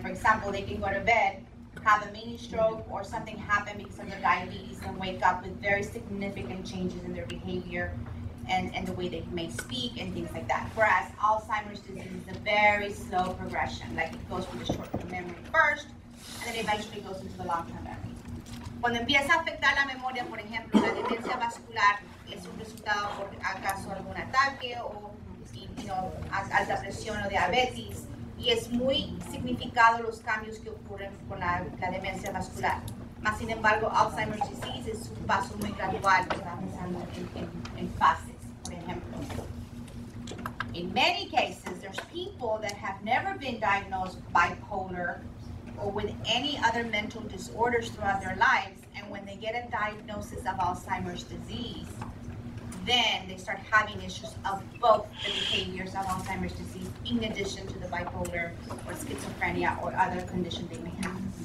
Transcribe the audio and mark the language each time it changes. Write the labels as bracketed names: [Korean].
[English] For example, they can go to bed, have a mini stroke, or something happen because of their diabetes, and wake up with very significant changes in their behavior and the way they may speak and things like that. Whereas Alzheimer's disease is a very slow progression. Like, it goes from the short-term memory first, and then eventually goes into the long-term memory. [Spanish] Cuando empieza a afectar la memoria, por ejemplo, la demencia vascular es un resultado por acaso algún ataque o alta presión o diabetes. Y es muy significado los cambios que ocurren con la demencia vascular. Mas sin embargo, Alzheimer's disease es un paso muy gradual, que va pasando en fases, por ejemplo. [English] In many cases, there's people that have never been diagnosed bipolar or with any other mental disorders throughout their lives, and when they get a diagnosis of Alzheimer's disease, then they start having issues of both the behaviors of Alzheimer's disease in addition to the bipolar or schizophrenia or other condition they may have.